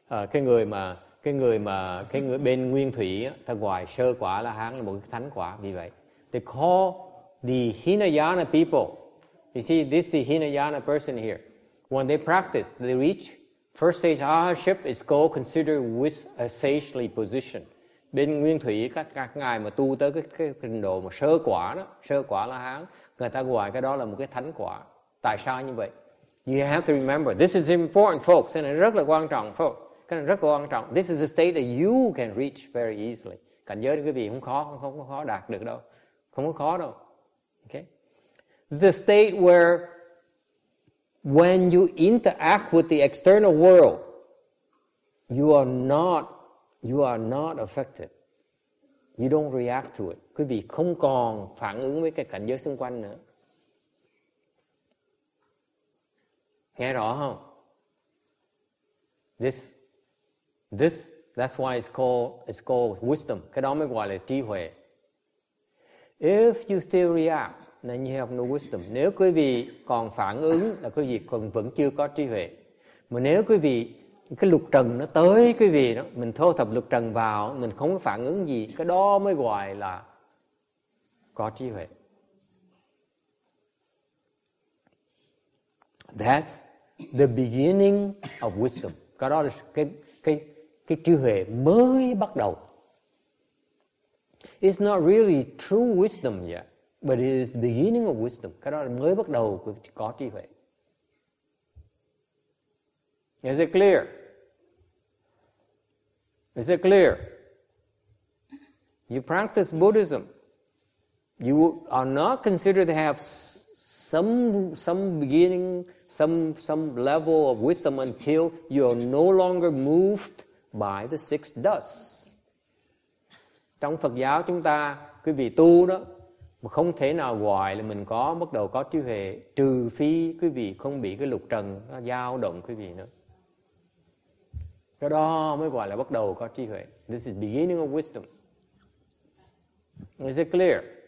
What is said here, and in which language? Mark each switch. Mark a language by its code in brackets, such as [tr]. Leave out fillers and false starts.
[vi] Cái người bên nguyên thủy, ta gọi sơ quả là hán là một cái thánh quả. Vì vậy, [en] they call the Hinayana people. You see, this is the Hinayana person here. When they practice, they reach first stage arhatship is called considered with a sagely position. [vi] Bên nguyên thủy các ngài mà tu tới cái trình độ mà sơ quả đó, sơ quả là hán, người ta gọi cái đó là một cái thánh quả. Tại sao như vậy? [en] You have to remember, this is important, folks. And it's [vi] rất là quan trọng, folks. Cái này rất là quan trọng. This is a state that you can reach very easily. Cảnh giới quý vị không khó đạt được đâu. Không có khó đâu. Okay? [en] The state where when you interact with the external world, you are not affected. You don't react to it. [vi] Quý vị không còn phản ứng với cái cảnh giới xung quanh nữa. Nghe rõ không? [en] This, that's why it's called wisdom. [vi] Cái đó mới gọi là trí huệ. [en] If you still react, then you have no wisdom. [vi] Nếu quý vị còn phản ứng, là quý vị vẫn chưa có trí huệ. Mà nếu quý vị cái lục trần nó tới cái gì đó, mình thu thập lục trần vào, mình không có phản ứng gì, cái đó mới gọi là có trí huệ. [en] That's the beginning of wisdom. [vi] Cái đó là cái trí huệ mới bắt đầu. [en] It's not really true wisdom yet, but it is the beginning of wisdom. [vi] Cái đó là mới bắt đầu của có trí huệ. [en] Is it clear? Is it clear? You practice Buddhism, you are not considered to have some beginning, some level of wisdom until you are no longer moved by the six dust. [vi] Trong Phật giáo chúng ta, quý vị tu đó, mà không thể nào gọi là mình có bắt đầu có trí huệ, trừ phi quý vị không bị cái lục trần nó dao động quý vị nữa. Cái đó mới gọi là bắt đầu có trí huệ. [en] This is beginning of wisdom. Is it clear?